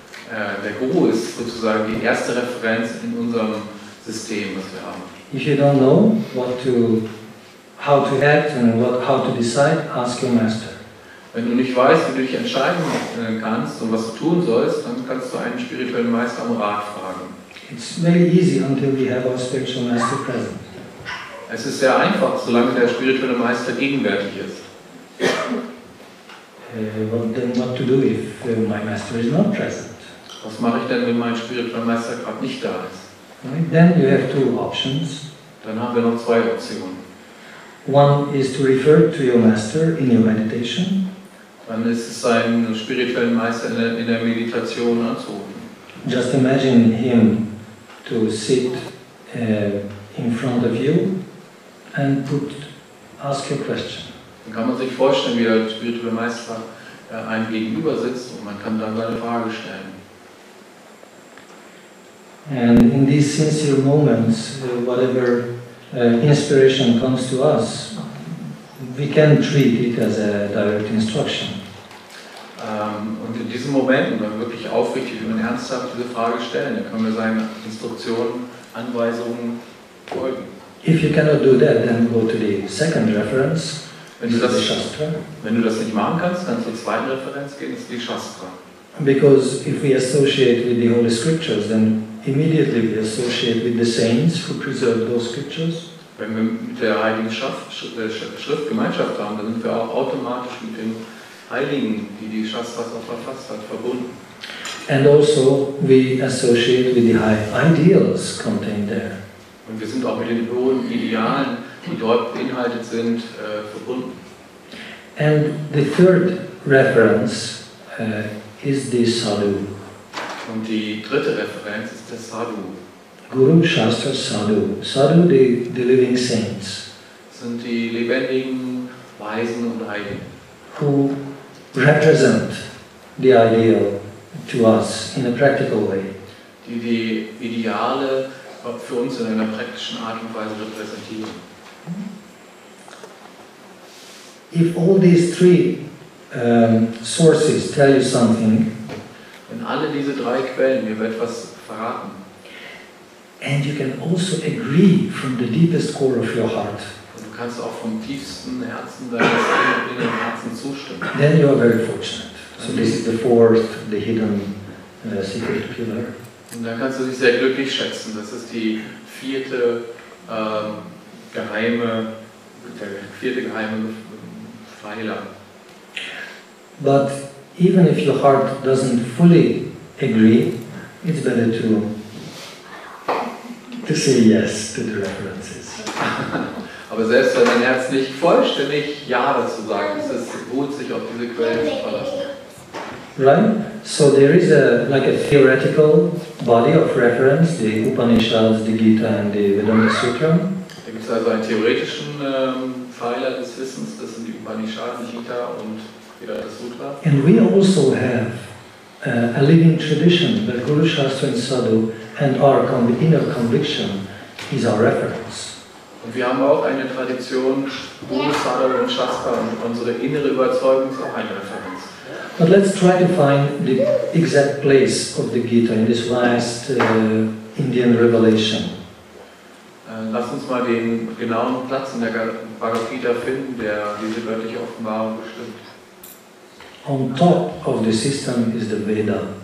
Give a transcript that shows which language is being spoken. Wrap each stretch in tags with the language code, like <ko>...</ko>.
<de>Der Guru ist sozusagen die erste Referenz in unserem System, was wir haben.</de> <en>If you don't know what to, how to act and what, how to decide, ask your master.</en> <de>Wenn du nicht weißt, wie du dich entscheiden kannst und was du tun sollst, dann kannst du einen spirituellen Meister um Rat fragen.</de> <en>It's very easy until we have our spiritual master present.</en> <de>Es ist sehr einfach, solange der spirituelle Meister gegenwärtig ist.</de> <en>Well, then what to do if my master is not present?</en> <de>Was mache ich denn, wenn mein spiritueller Meister gerade nicht da ist?</de> <en>Right, then you have two options.</en> <de>Dann haben wir noch zwei Optionen.</de> <en>One is to refer to your master in your meditation.</en> <de>Dann ist es seinen spirituellen Meister in der Meditation anzurufen.</de> <en>Just imagine him to sit in front of you and put ask a question.</en> <de>Dann kann man sich vorstellen, wie der spirituelle Meister einem gegenüber sitzt und man kann dann seine Frage stellen.</de> <en>And in these sincere moments, whatever inspiration comes to us, we can treat it as a direct instruction.</en> <de>Und in diesen Momenten, wenn wir wirklich aufrichtig und ernsthaft diese Frage stellen, dann können wir seinen Instruktionen, Anweisungen folgen.</de> <en>If you cannot do that, then go to the second reference, the Shastra.</en> <de>Wenn du das nicht machen kannst, dann zur zweiten Referenz gehen, ist die Shastra.</de> <en>Because if we associate with the Holy Scriptures, then immediately we associate with the saints who preserve those scriptures.</en> <de>Wenn wir mit der Heiligen Schrift Gemeinschaft haben, dann sind wir auch automatisch mit den Heiligen, die die Shastras auch verfasst hat, verbunden.</de> <en>And also we associate with the high ideals contained there.</en> <de>Und wir sind auch mit den hohen Idealen, die dort beinhaltet sind, verbunden.</de> <en>And the third reference is the Sadhu.</en> <de>Und die dritte Referenz ist der Sadhu.</de> <en>Guru, Shastra, Sadhu. Sadhu, the living saints.</en> <de>Sind die lebendigen Weisen und Heiligen.</de> <en>Who represent the ideal to us in a practical way.</en> <de>Die die Ideale für uns in einer praktischen Art und Weise repräsentieren.</de> <en>If all these three sources tell you something,</en> <de>wenn alle diese drei Quellen mir etwas verraten.</de> <en>And you can also agree from the deepest core of your heart.</en> <de>Und du kannst auch vom tiefsten Herzen deines inneren Herzens zustimmen.</de> <en>Then you are very fortunate. So this is the fourth, the hidden secret pillar.</en> <de>Und dann kannst du dich sehr glücklich schätzen. Das ist die vierte geheime Pfeiler.</de> <en>But even if your heart doesn't fully agree, it's better to say yes to the references.</en> <de>Aber selbst wenn dein Herz nicht vollständig Ja dazu sagt, ist es gut, sich auf diese Quelle zu verlassen.</de> <en>Right? So there is a like a theoretical body of reference, the Upanishads, the Gita and the Vedanta Sutra.</en> <de>Da gibt es also einen theoretischen Pfeiler des Wissens, das sind die Upanishads, die Gita und Vedanta Sutra.</de> <en>And we also have a living tradition where Guru Shastra and Sadhu and our inner conviction is our reference.</en> <de>Und wir haben auch eine Tradition, Guru Sadhu und Shastra und unsere innere Überzeugung ist auch eine Referenz.</de> <en>But let's try to find the exact place of the Gita in this vast Indian revelation.</en> <de>Lass uns mal den genauen Platz in der Bhagavad Gita finden, der diese göttliche Offenbarung bestimmt.</de> <en>On top of the system is the Veda.</en>